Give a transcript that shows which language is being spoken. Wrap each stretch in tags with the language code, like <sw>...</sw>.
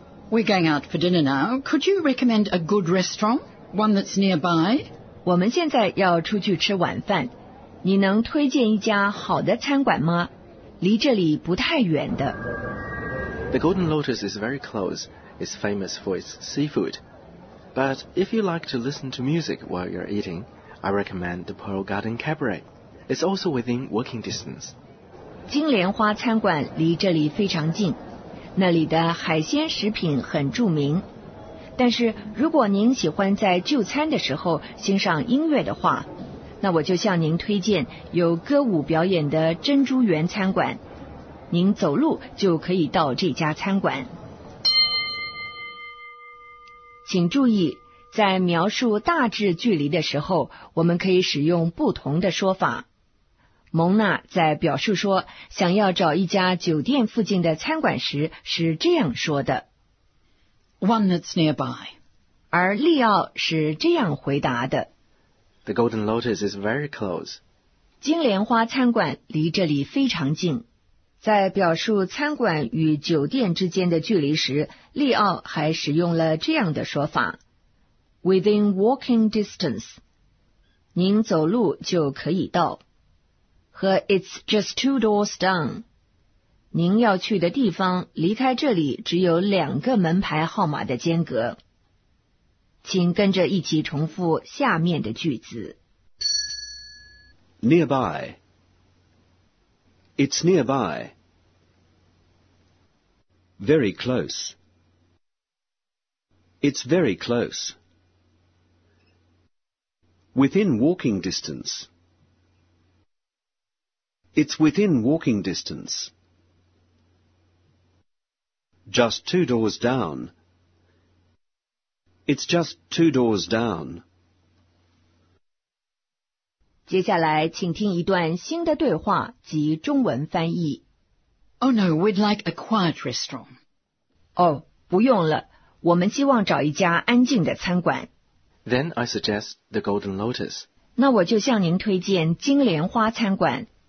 <en>We're going out for dinner now. Could you recommend a good restaurant? One that's nearby?</en> <zh>我们现在要出去吃晚饭。你能推荐一家好的餐馆吗？离这里不太远的。</zh> <en>The Golden Lotus is very close. It's famous for its seafood. But if you like to listen to music while you're eating, I recommend the Pearl Garden Cabaret. It's also within walking distance.</en> <zh>金莲花餐馆离这里非常近，那里的海鲜食品很著名。但是如果您喜欢在就餐的时候欣赏音乐的话，那我就向您推荐有歌舞表演的珍珠园餐馆。您走路就可以到这家餐馆。请注意，在描述大致距离的时候，我们可以使用不同的说法。蒙娜在表述说想要找一家酒店附近的餐馆时是这样说的。</zh> <en>One that's nearby.</en> <zh>而利奥是这样回答的。</zh> <en>The Golden Lotus is very close.</en> <zh>金莲花餐馆离这里非常近。在表述餐馆与酒店之间的距离时，利奥还使用了这样的说法。</zh> <en>Within walking distance.</en> <zh>您走路就可以到。</zh> <en>和 It's just two doors down.</en> <zh>您要去的地方离开这里只有两个门牌号码的间隔。请跟着一起重复下面的句子。</zh> <en>Nearby. It's nearby. Very close. It's very close. Within walking distance. It's within walking distance. Just two doors down. It's just two doors down.</en> <zh>接下来请听一段新的对话及中文翻译。</zh> <en>Oh no, we'd like a quiet restaurant.</en> <zh>不用了，我们希望找一家安静的餐馆。</zh> <en>Then I suggest the Golden Lotus.</en> <zh>那我就向您推荐金莲花餐馆。</zh>